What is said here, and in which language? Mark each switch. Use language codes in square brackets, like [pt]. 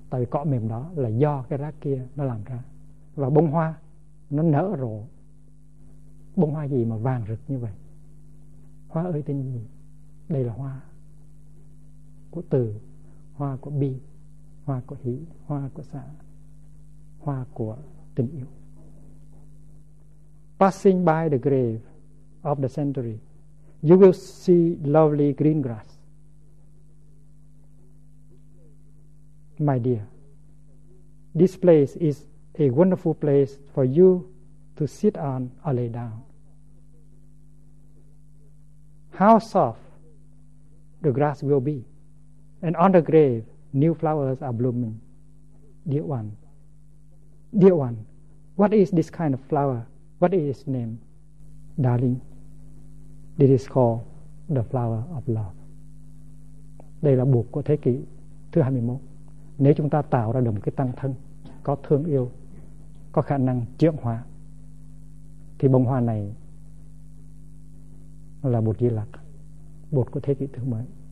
[vi] Tại vì cỏ mềm đó là do cái rác kia nó làm ra. Và bông hoa nó nở rộ. Bông hoa gì mà vàng rực như vậy? Hoa ơi tên gì? Đây là hoa của từ, hoa của bi, hoa của hỷ, hoa của xã, hoa của tình yêu. [en] Passing by the grave of the century, you will see lovely green grass. My dear, this place is a wonderful place for you to sit on or lay down. How soft the grass will be, and on the grave, new flowers are blooming. Dear one, dear one, what is this kind of flower? What is its name? Darling, it is called the flower of love. [vi] Đây là buộc của thế kỷ thứ 21. Nếu chúng ta tạo ra được một cái tăng thân có thương yêu, có khả năng chuyển hóa, thì bông hoa này là bột Di Lặc, bột của thế kỷ thứ mới.